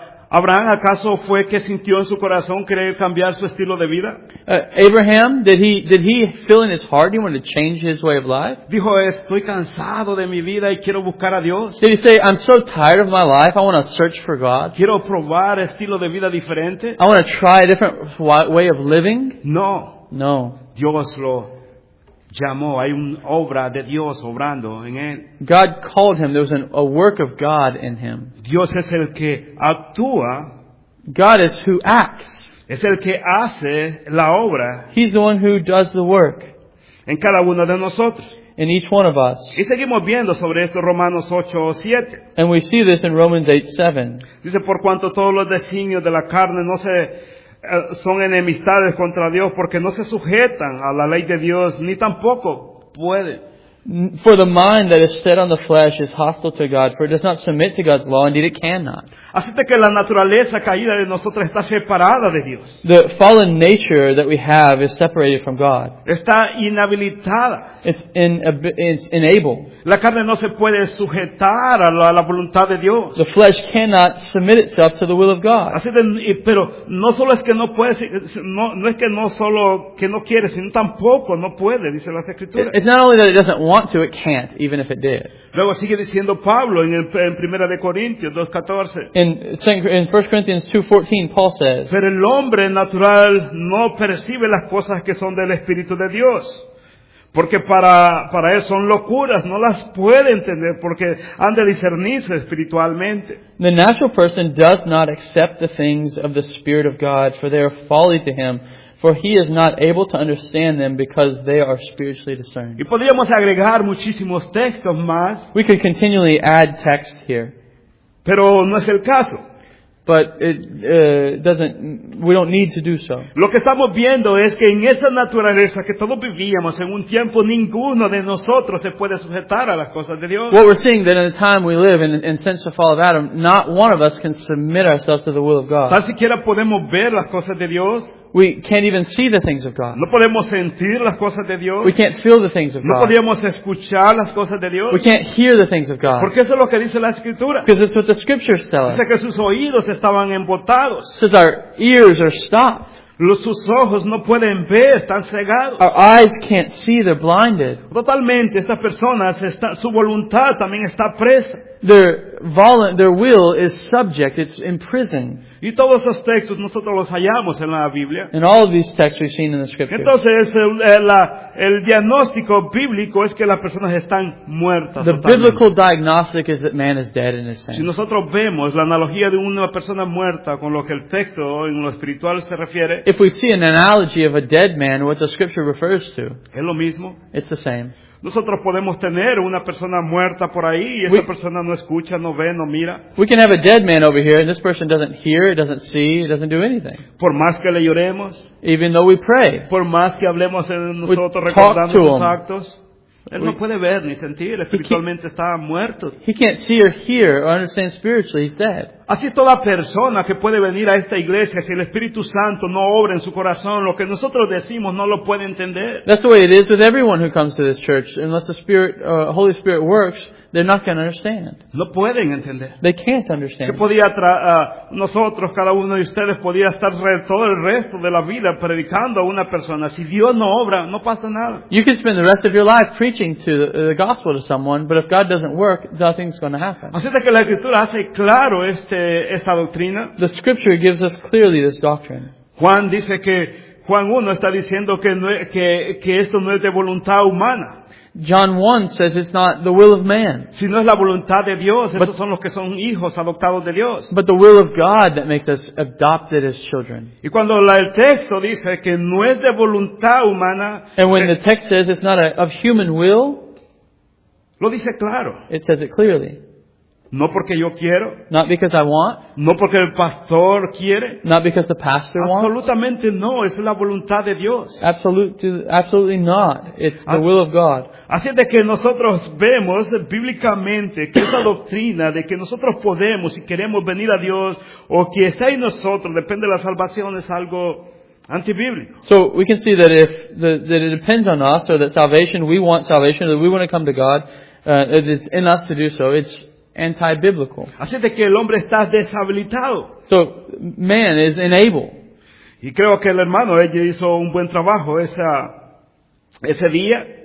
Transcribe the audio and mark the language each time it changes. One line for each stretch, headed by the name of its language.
Spanish: ¿Abraham acaso fue que sintió en su corazón querer cambiar su estilo de vida?
English: Abraham, did he feel in his heart he wanted to change his way of life?
Spanish: Dijo, estoy cansado de mi vida y quiero buscar a Dios.
English: Did he say, I'm so tired of my life, I want to search for God?
Spanish: Quiero probar estilo de vida diferente.
English: I want to try a different way of living?
Spanish: No.
English: No.
Spanish: Dios lo llamó. Hay una obra de Dios obrando en él.
English: God called him. There was a work of God in him.
Spanish: Dios es el que actúa.
English: God is who acts.
Spanish: Es el que hace la obra.
English: He's the one who does the work.
Spanish: En cada uno de nosotros.
English: In each one of us.
Spanish: Y seguimos viendo sobre esto Romanos 8:7.
English: And we see this in Romans 8:7.
Spanish: Dice, por cuanto todos los designios de la carne no se son enemistades contra Dios porque no se sujetan a la ley de Dios ni tampoco pueden.
English: For the mind that is set on the flesh is hostile to God, for it does not submit to God's law, indeed it cannot.
Spanish: Así que la naturaleza caída de nosotros está separada de Dios.
English: The fallen nature that we have is separated from God.
Spanish: Está inhabilitada.
English: It's unable.
Spanish: La carne no se puede sujetar a la voluntad de Dios.
English: The flesh cannot submit itself to the will of God.
Spanish: Así que, pero no solo es que no puede, no es que no solo que no quiere, sino tampoco no puede, dice la escritura.
English: It's not only that it doesn't want to, it can't, even if it did.
Spanish: Luego sigue diciendo Pablo en Primera de Corintios 2:14.
English: In 1 Corinthians 2:14, Paul says,
Spanish: pero el hombre natural no percibe las cosas que son del Espíritu de Dios. Porque para él son locuras, no las puede entender porque han de discernirse espiritualmente.
English: The natural person does not accept the things of the Spirit of God, for they are folly to him, for he is not able to understand them because they are spiritually discerned.
Spanish: Y podríamos agregar muchísimos textos más.
English: We could continually add texts here.
Spanish: Pero no es el caso.
English: But it doesn't. We don't need to do so.
Spanish: Lo que estamos viendo es que en esa naturaleza que todos vivíamos en un tiempo ninguno de nosotros se puede sujetar a las cosas de Dios.
English: What we're seeing that in the time we live in since the fall of Adam, not one of us can submit ourselves to the will of God.
Spanish: Tan siquiera podemos ver las cosas de Dios.
English: We can't even see the things of God.
Spanish: No podemos sentir las cosas de Dios.
English: We can't feel the things of
Spanish: no
English: God.
Spanish: No podemos escuchar las cosas de Dios.
English: We can't hear the things of God.
Spanish: Porque eso es lo que dice la Escritura.
English: Because it's what the Scriptures tell us.
Spanish: Dice que sus oídos estaban embotados.
English: It says our ears are stopped.
Spanish: Sus ojos no pueden ver, están cegados.
English: Our eyes can't see, they're blinded.
Spanish: Totalmente, estas personas, su voluntad también está presa.
English: Their will is subject, it's imprisoned.
Spanish: Y todos esos textos nosotros los hallamos en la Biblia.
English: And all of these texts we've seen in the Scriptures.
Spanish: Entonces, el diagnóstico bíblico es que las personas están muertas.
English: The biblical diagnostic is that man is dead in his sins.
Spanish: Si nosotros vemos la analogía de una persona muerta con lo que el texto en lo espiritual se refiere,
English: if we see an analogy of a dead man, what the Scripture refers to,
Spanish: es lo mismo.
English: It's the same.
Spanish: Nosotros podemos tener una persona muerta por ahí y esta persona no escucha, no ve, no mira.
English: We can have a dead man over here and this person doesn't hear, doesn't see, doesn't do anything.
Spanish: Por más que le lloremos,
English: even though we pray,
Spanish: por más que hablemos en nosotros recordando sus actos, él no puede ver ni sentir, espiritualmente está muerto.
English: He can't see or hear or understand spiritually, he's dead.
Spanish: Así toda persona que puede venir a esta iglesia, si el Espíritu Santo no obra en su corazón, lo que nosotros decimos no lo puede entender.
English: That's the way it is with everyone who comes to this church. Unless the Spirit, Holy Spirit works, they're not going to understand.
Spanish: No pueden entender.
English: They can't understand.
Spanish: Que podía nosotros, cada uno de ustedes, podía estar todo el resto de la vida predicando a una persona. Si Dios no obra, no pasa nada.
English: You can spend the rest of your life preaching to the gospel to someone, but if God doesn't work, nothing's going to happen.
Spanish: Así es que la Escritura hace claro esta doctrina.
English: The Scripture gives us clearly this doctrine.
Spanish: Juan dice que Juan 1 está diciendo que no, que esto no es de voluntad humana.
English: John 1 says it's not the will of man.
Spanish: Si no es la voluntad de Dios, but, esos son los que son hijos adoptados de Dios.
English: But the will of God that makes us adopted as children.
Spanish: Y cuando el texto dice que no es de voluntad humana,
English: and when the text says it's not of human will,
Spanish: lo dice claro.
English: It says it clearly.
Spanish: No porque yo quiero.
English: Not because I want.
Spanish: No porque el pastor quiere.
English: Not because the pastor wants.
Spanish: Absolutamente no, es la voluntad de Dios.
English: Absolutely not. It's the will of God.
Spanish: Así es de que nosotros vemos bíblicamente que esa doctrina de que nosotros podemos y queremos venir a Dios o que está en nosotros depende de la salvación es algo antibíblico.
English: So we can see that if that it depends on us or that salvation, we want salvation, that we want to come to God, it's in us to do so. It's anti-biblical.
Spanish: Así de que el hombre está deshabilitado.
English: So man is unable.
Spanish: Y creo que el hermano AJ hizo un buen trabajo ese día.